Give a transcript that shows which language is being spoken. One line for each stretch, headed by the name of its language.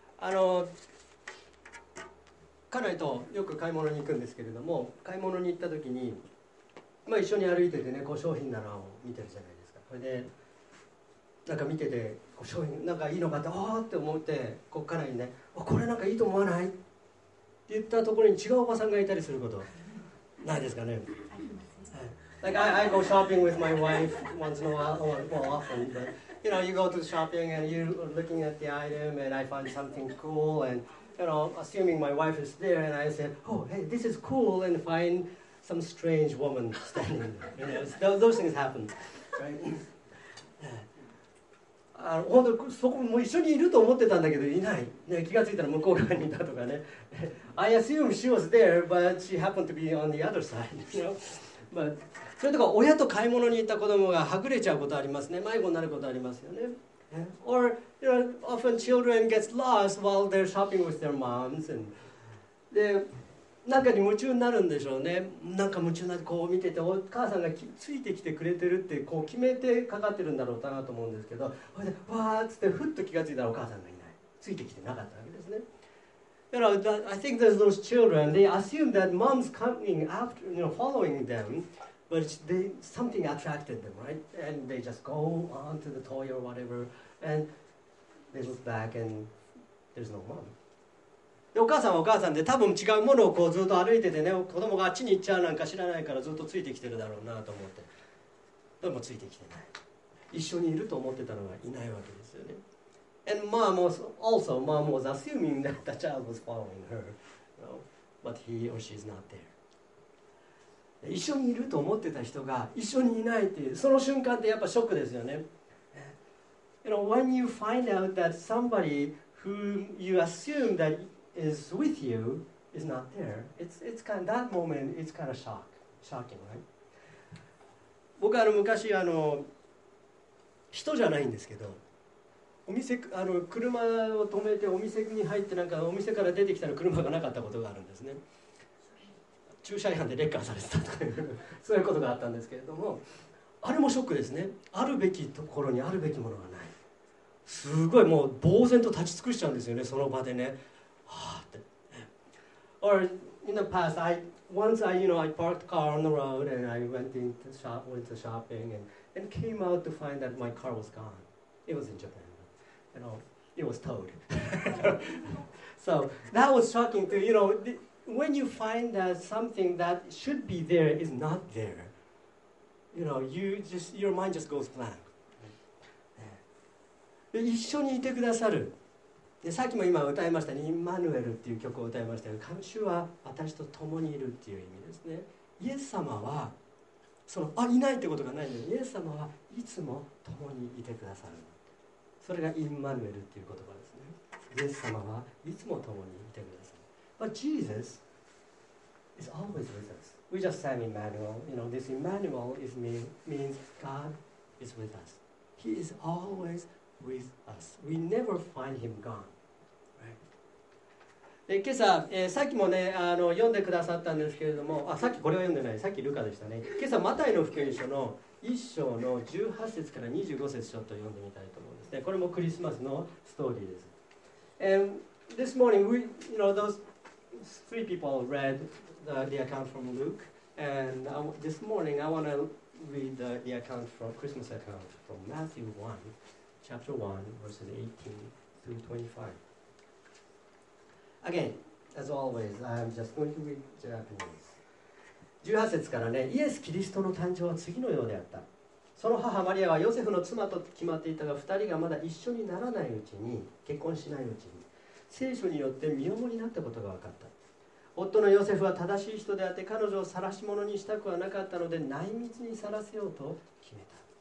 Japanese: 家内とよく買い物に行くんですけれども、買い物に行った時に、まあ、一緒に歩いててね、こう商品棚を見てるじゃないですか。それでなんか見てて、こう商品なんかいいのかどうって思って、こう家内にね、これなんかいいと思わないって言ったところに違うおばさんがいたりすることないですかね。
English: Like I go shopping with my wife once in a while, or more often, but you know, you go to shopping and you're looking at the item and I find something cool and you know, assuming my wife is there, and I said, "Oh, hey, this is cool," and find some strange woman standing there. You know, those things happen, right?
Japanese: 本当そこも一緒にいると思ってたんだけど、いない。ね、気がついたら向こう側にいたとかね。
English: I assume she was there, but she happened to be on the other side. You know?
Japanese: But それとか、親と買い物に行った子供がはぐれちゃうことありますね。迷子になることありますよね。
English: Or, you know, often children get lost while they're shopping with their moms.
Japanese: And, で、なんかに夢中になるんでしょうね。なんか夢中になって、こう見てて、お母さんがついてきてくれてるって、こう決めてかかってるんだろうかなと思うんですけど、それで、わーっつって、ふっと気がついたらお母さんがいない。ついてきてなかったわけですね。
English: You know, that, I think there's those children, they assume that mom's coming after, you know, following them. But they, something attracted them, right? And they just go on to the toy or whatever, and they look back and there's no mom.
Japanese: で、お母さんはお母さんで、多分違うものをこうずっと歩いててね、子供があっちに行っちゃうなんか知らないから、ずっとついてきてるだろうなと思って、どうもついてきてない。一緒にいると思ってたのがいないわけですよね。
English: And mom was also, mom was assuming that the child was following her, you know, but he or she's not there.
Japanese: 一緒にいると思ってた人が一緒にいないっていう、その瞬間ってやっぱショックですよね。
English: You know, when you find out that somebody whom you assume that is with you is not there, it's kind of, that moment, it's kind of shocking, right?
Japanese: 僕は昔、人じゃないんですけど、お店、車を止めてお店に入って、なんかお店から出てきたら車がなかったことがあるんですね。駐車違反でレッカーされてたとかいう そういうことがあったんですけれども、あれもショックですね。あるべきところにあるべきものがない。すごいもう呆然と立ち尽くしちゃうんですよね、その場でね。はあって。
English: Or in the past, once I, you know, I parked car on the road and I went into shop, went to shopping and came out to find that my car was gone. It was in Japan. You know, it was towed. So that was shocking too. You know, when you find that something that should be there is not there, you know, your mind just goes blank.
Japanese: 一緒にいてくださる。で、さっきも今歌いました、ね、インマヌエルっていう曲を歌いましたけど、主は私と共にいるっていう意味ですね。イエス様は、いないってことがないんだよ。イエス様はいつも共にいてくださる。それがインマヌエルっていう言葉ですね。イエス様はいつも共にいてくださる。
English: But Jesus is always with us. We just sang Emmanuel. You know, this Emmanuel means God is with us. He is always with us. We never find him gone.
Japanese: で、今朝、さっきもね、読んでくださったんですけれども、さっきこれは読んでない、さっきルカでしたね。今朝、マタイの福音書の1章の18節から25節ちょっと読んでみたいと思うんですね。これもクリスマスのストーリーです。
English: And this morning, you know, those three people read the account from Luke, and this morning I want to read the account from Christmas account from Matthew 1. Chapter 1, verses 18 through 25. Again, as always, I'm just going to read Japanese.
Japanese: 18節からね、イエス・キリストの誕生は次のようであった。その母マリアはヨセフの妻と決まっていたが、2人がまだ一緒にならないうちに、結婚しないうちに、聖書によって身重になったことが分かった。夫のヨセフは正しい人であって、彼女を晒し者にしたくはなかったので、内密に晒せようと決めた。